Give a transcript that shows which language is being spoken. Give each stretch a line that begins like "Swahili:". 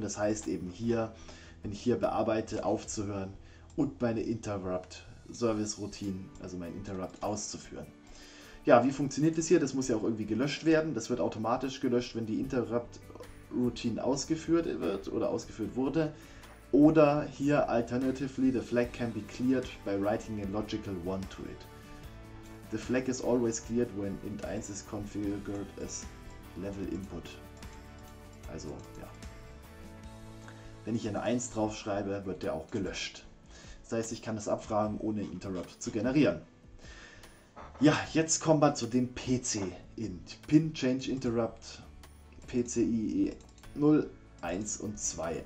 German: Das heißt eben hier, wenn ich hier bearbeite, aufzuhören und meine Interrupt Service Routine, also mein Interrupt auszuführen. Ja, wie funktioniert das hier? Das muss ja auch irgendwie gelöscht werden. Das wird automatisch gelöscht, wenn die Interrupt-Routine ausgeführt wird oder ausgeführt wurde. Oder hier
English: alternatively, the flag can be cleared by writing a logical one to it. The flag is always cleared when int 1 is configured as level input.
German: Also, ja. Wenn ich eine 1 drauf schreibe, wird der auch gelöscht. Das heißt, ich kann das abfragen, ohne Interrupt zu generieren. Ja, jetzt kommen wir zu dem PC-Int. Pin Change Interrupt PCIe 0, 1 und 2.